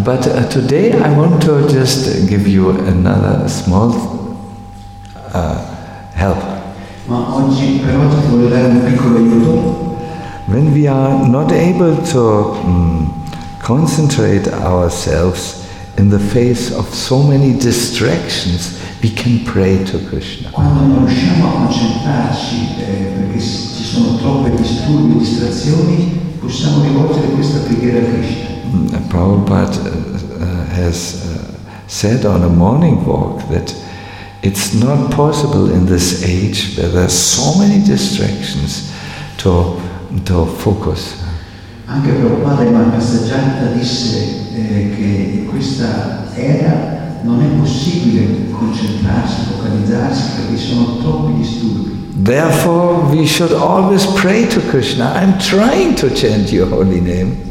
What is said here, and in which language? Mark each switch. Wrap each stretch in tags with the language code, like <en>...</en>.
<en>But today I want to just give you another small help.</en> <it>Ma oggi per oggi ti voglio dare un piccolo aiuto.</it> <en>When we are not able to concentrate ourselves in the face of so many distractions, we can pray to Krishna.</en> <it>Quando non riusciamo a concentrarci perché ci sono troppe disturbi, distrazioni, possiamo rivolgere questa preghiera a Krishna.</it> <en>Prabhupada has said on a morning walk that it's not possible in this age where there are so many distractions to focus.</en> <it>Anche Prabhupada in una passeggiata disse che in questa era non è possibile concentrarsi, focalizzarsi, perché sono troppi disturbi.</it> <en>Therefore we should always pray to Krishna. I'm trying to chant your holy name.</en>